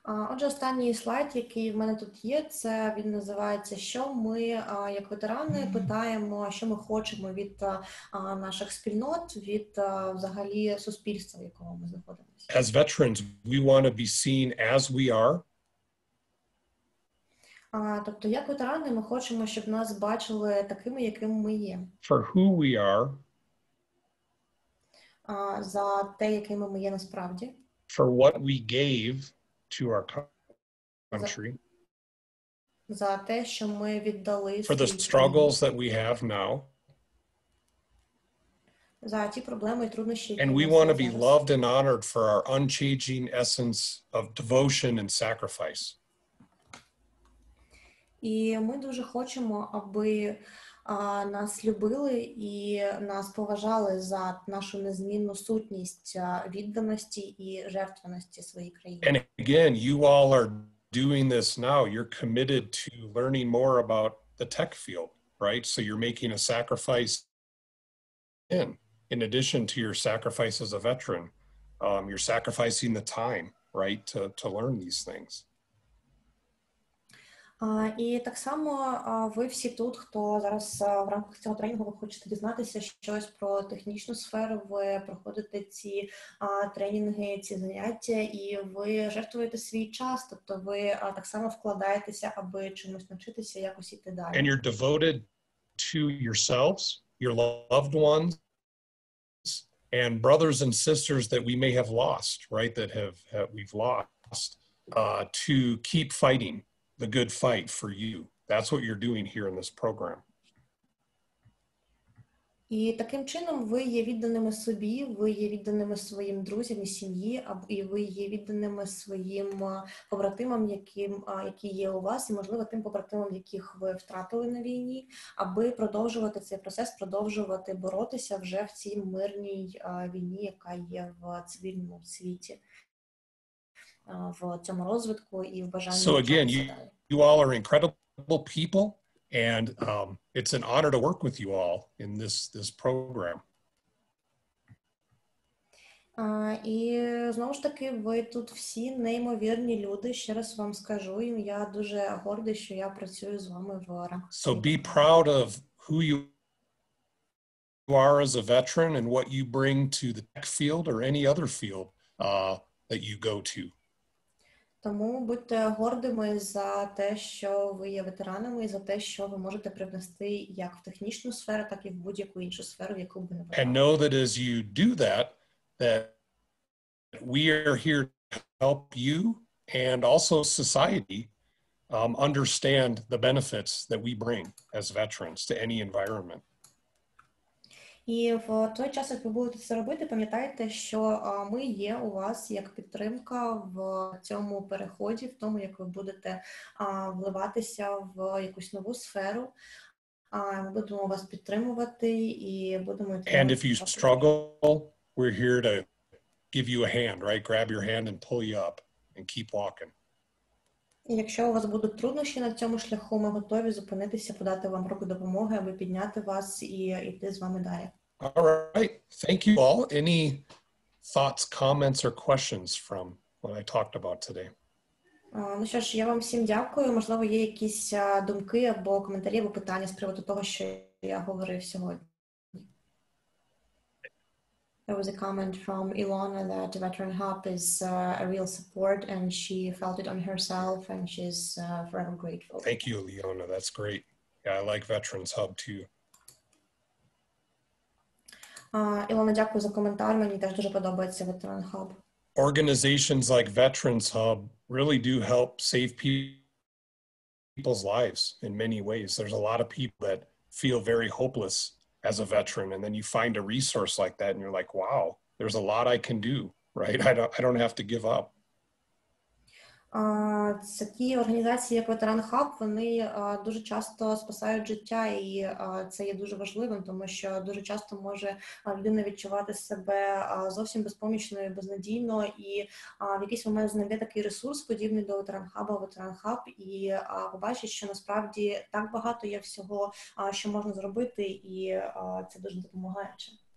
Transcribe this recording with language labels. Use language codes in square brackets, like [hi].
[uk] Отже, останній слайд, який в мене тут є, це він називається «Що ми, як ветерани, питаємо, що ми хочемо від наших спільнот, від взагалі суспільства, в якому ми знаходимося?» [en] As veterans, we want to be seen as we are. [uk] Тобто, як ветерани, ми хочемо, щоб нас бачили такими, якими ми є. [en] For who we are. [uk] За те, якими ми є насправді. [en] For what we gave to our country. [uk] За те, що ми віддали. [en] For the struggles that we have now. [uk] За ті проблеми і труднощі, які [en] And we want to be loved and honored for our unchanging essence of devotion and sacrifice. [uk] І ми дуже хочемо, аби нас любили і нас поважали за нашу незмінну сутність відданості і жертвеності своїй країні. [en] And again, you all are doing this now. You're committed to learning more about the tech field, right? So you're making a sacrifice in addition to your sacrifice as a veteran. You're sacrificing the time, right, to learn these things. [uk] І так само ви всі тут, хто зараз в рамках цього тренінгу, ви хочете дізнатися щось про технічну сферу, ви проходите ці тренінги, ці заняття, і ви жертвуєте свій час, тобто ви так само вкладаєтеся, аби чимось навчитися, якось іти далі. [en] And you're devoted to yourselves, your loved ones, and brothers and sisters that we may have lost, right, that we've lost, to keep fighting. The good fight for you. That's what you're doing here in this program. [uk] І таким чином ви є відданими собі, ви є відданими своїм друзям і сім'ї, і ви є відданими своїм побратимам, які є у вас, і, можливо, тим побратимам, яких ви втратили на війні, аби продовжувати цей процес, продовжувати боротися вже в цій мирній війні, яка є в цивільному світі. В цьому розвитку і в бажанні. [en] So again, you all are incredible people, and it's an honor to work with you all in this program. [uk] І знову ж таки, ви тут всі неймовірні люди. Ще раз вам скажу, і я дуже гордий, що я працюю з вами в ОРА. [en] So be proud of who you are as a veteran and what you bring to the tech field or any other field that you go to. [uk] Тому будьте гордими за те, що ви є ветеранами, і за те, що ви можете привнести як в технічну сферу, так і в будь-яку іншу сферу, в яку б ви не [en] And know that as you do that we are here to help you and also society understand the benefits that we bring as veterans to any environment. [uk] І в той час, як ви будете це робити, пам'ятайте, що ми є у вас як підтримка в цьому переході, в тому, як ви будете вливатися в якусь нову сферу. Ми будемо вас підтримувати і будемо... [en] And if you struggle, we're here to give you a hand, right? Grab your hand and pull you up and keep walking. [uk] Якщо у вас будуть труднощі на цьому шляху, ми готові зупинитися, подати вам руку допомоги, аби підняти вас і йти з вами далі. [en] All right. Thank you all. Any thoughts, comments, or questions from what I talked about today? [uk] Ну що ж, я вам всім дякую. Можливо, є якісь думки або коментарі, або питання з приводу того, що я говорив сьогодні. [en] There was a comment from Ilona that Veteran Hub is a real support and she felt it on herself and she's forever grateful. Thank you, Ilona. That's great. Yeah, I like Veterans Hub too. [uk] Ilona, дякую за коментар. Мені теж дуже подобається Veteran Hub. [en] Organizations like Veterans Hub really do help save people's lives in many ways. There's a lot of people that feel very hopeless as a veteran, and then you find a resource like that and you're like, wow, there's a lot I can do, right? I don't have to give up. [uk] Такі організації, як Veteran Hub, вони дуже часто спасають життя, і це є дуже важливим, тому що дуже часто може людина відчувати себе зовсім безпомічною, безнадійно, і в якийсь момент знайде такий ресурс, подібний до Veteran Hub, і побачить, що насправді так багато є всього, що можна зробити, і це дуже допомагаюче.